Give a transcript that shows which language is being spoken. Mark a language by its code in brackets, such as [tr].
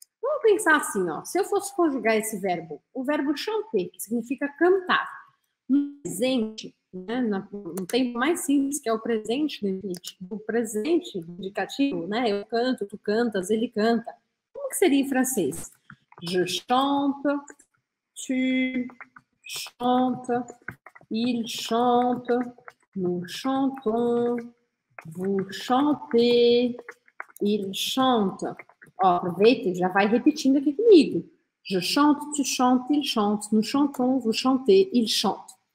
[pt] Vamos pensar assim, ó. Se eu fosse conjugar esse verbo, o verbo chanter, que significa cantar. No presente, né? No tempo mais simples, que é o presente, o presente indicativo, né? Eu canto, tu cantas, ele canta. Como que seria em francês? [fr] Je chante, tu chante, il chante, nous chantons, vous chantez, il chante. [pt] Ó, aproveita e já vai repetindo aqui comigo. [fr] Je chante, tu chante, il chante, nous chantons, vous chantez, il chante.